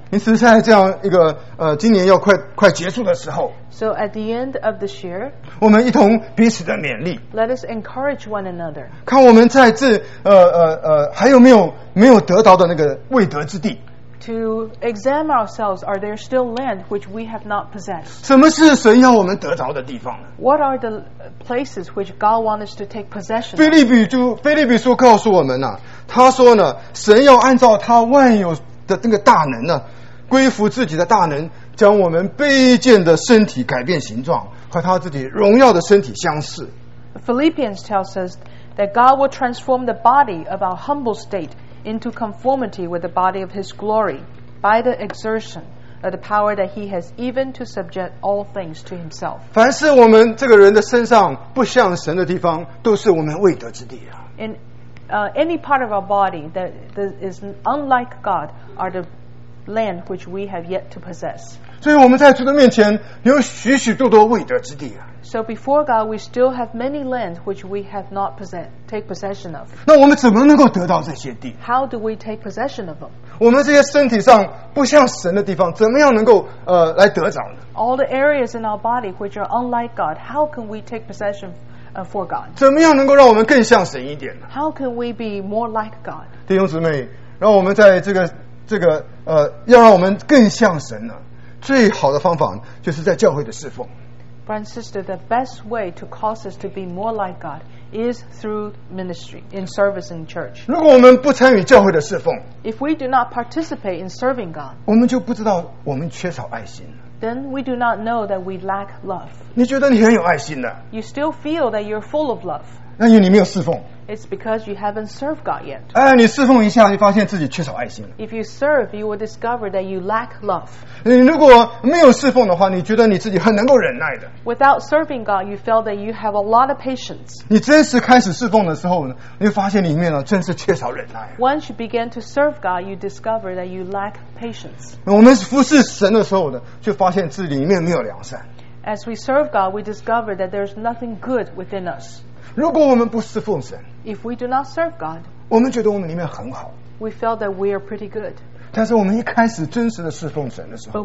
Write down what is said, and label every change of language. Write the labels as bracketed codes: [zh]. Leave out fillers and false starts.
[zh] 因此在这样一个今年要快结束的时候， [en] So at the end of this year, [zh] 我们一同彼此的勉励， [en] Let us encourage one another. [zh] 看我们在这还有没有得到的那个未得之地。 [en] to examine ourselves, are there still land which we have not possessed? [zh] 什么是神要我们得着的地方呢？ [en] What are the places which God wants us to take possession of? [zh] 腓立比书告诉我们呢、啊，他说呢，神要按照他万有的那个大能呢、啊，归服自己的大能，将我们卑贱的身体改变形状，和他自己荣耀的身体相似。 [en] Philippians tells us that God will transform the body of our humble state into conformity with the body of His glory by the exertion of the power that He has even to subject all things to Himself. [zh] 凡是我们这个人的身上不像神的地方，都是我们未得之地啊。 [en] In any part of our body that is unlike God are the land which we have yet to possess. [zh] 所以我们在主的面前有许许多多未得之地啊。 [en] So before God, we still have many lands which we have not take possession of. [zh] 那我们怎么能够得到这些地？ [en] How do we take possession of them? [zh] 我们这些身体上不像神的地方，怎么样能够来得着呢？ [en] All the areas in our body which are unlike God, how can we take possession for God? [zh] 怎么样能够让我们更像神一点呢？ [en] How can we be more like God? [zh] 弟兄姊妹，让我们在这个要让我们更像神呢，最好的方法就是在教会的侍奉。 [en] Brother and sister, the best way to cause us to be more like God is through ministry, in service in church. [zh] 如果我们不参与教会的侍奉, [en] if we do not participate in serving God, [zh] 我们就不知道我们缺少爱心了。 [en] Then we do not know that we lack love. [zh] 你觉得你很有爱心的。 [en] You still feel that you're full of love. [zh] 那因为你没有侍奉。 [en] It's because you haven't served God yet. [zh] 哎，你侍奉一下，你发现自己缺少爱心了。 [en] If you serve, you will discover that you lack love. [zh] 你如果没有侍奉的话，你觉得你自己很能够忍耐的。 [en] Without serving God, you feel that you have a lot of patience. [zh] 你真实开始侍奉的时候呢，你发现里面呢，真是缺少忍耐。 [en] Once you begin to serve God, you discover that you lack patience. [zh] 我们服侍神的时候呢，就发现自己里面没有良善。 [en] As we serve God, we discover that there's nothing good within us. [zh] 如果我们不侍奉神， [en] If we do not serve God, [zh] 我们觉得我们里面很好。 [en] We feel that we are pretty good. [zh] 但是我们一开始真实的侍奉神的时候，